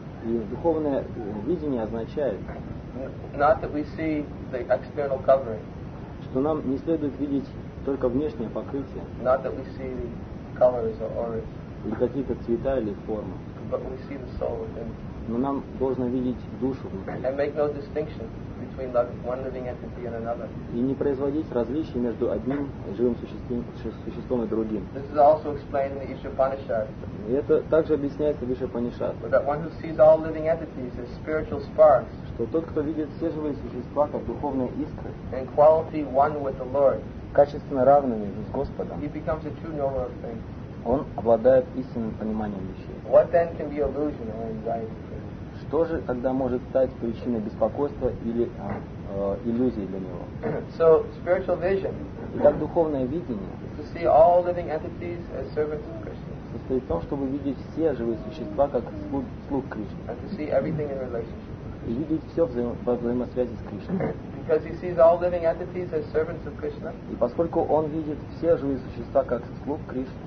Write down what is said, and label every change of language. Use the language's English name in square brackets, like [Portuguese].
[Russian] И духовное видение означает. [English] Not that we see the external covering. [Russian] что нам не следует видеть только внешнее покрытие. [English] Not that we see the colors or auras. [Russian] Или какие-то цвета или формы. [English] But we see the soul within. [Russian] Но нам должно видеть душу внутри. [English] And make no distinction between one living entity and another. [Russian] И не производить различий между одним живым существом и другим. [English] This is also explained in the Ishapanishad. [Russian] И это также объясняется в Ишапанишад. [English] But that one who sees all living entities as spiritual sparks. [Russian] Что тот, кто видит все живые существа как духовные искры, [English] in quality one with the Lord, [Russian] качественно равными с Господом, [English] he becomes a true knower of things. [Russian] Он обладает истинным пониманием вещей. [English] What then can be illusion or anxiety? [Russian] Что же тогда может стать причиной беспокойства или иллюзии для него? [English] So, spiritual vision, [Russian] итак, духовное видение, [English] to see all living entities as servants of Krishna, [Russian] состоит в том, чтобы видеть все живые существа как слуг Кришны. [English] And to see everything in relationship. [Russian] И видеть все во взаимосвязи с Кришной. [English] Because he sees all living entities as servants of Krishna, [Russian] и поскольку он видит все живые существа как слуг Кришны,